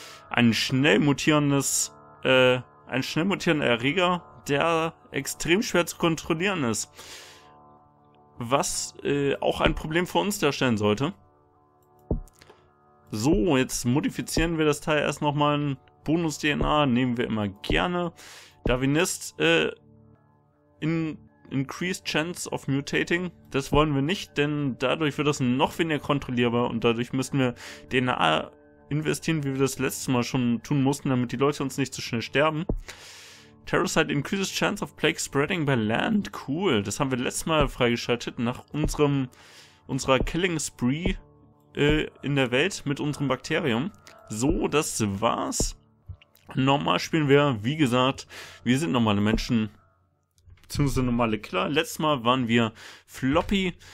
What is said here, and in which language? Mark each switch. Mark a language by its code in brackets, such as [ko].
[de] Ein schnell mutierender Erreger, der extrem schwer zu kontrollieren ist. Was auch ein Problem für uns darstellen sollte. So, jetzt modifizieren wir das Teil erst nochmal. Bonus-DNA nehmen wir immer gerne. [en] Darwinist, Increased Chance of Mutating. [de] Das wollen wir nicht, denn dadurch wird das noch weniger kontrollierbar und dadurch müssen wir DNA investieren, wie wir das letzte Mal schon tun mussten, damit die Leute uns nicht zu schnell sterben. [en] Terracite increases chance of plague spreading by land. [de] Cool. Das haben wir letztes Mal freigeschaltet nach unserer Killing Spree in der Welt mit unserem Bakterium. So, das war's. Normal spielen wir, wie gesagt, wir sind normale Menschen. Beziehungsweise normale Killer. Letztes Mal waren wir Floppy.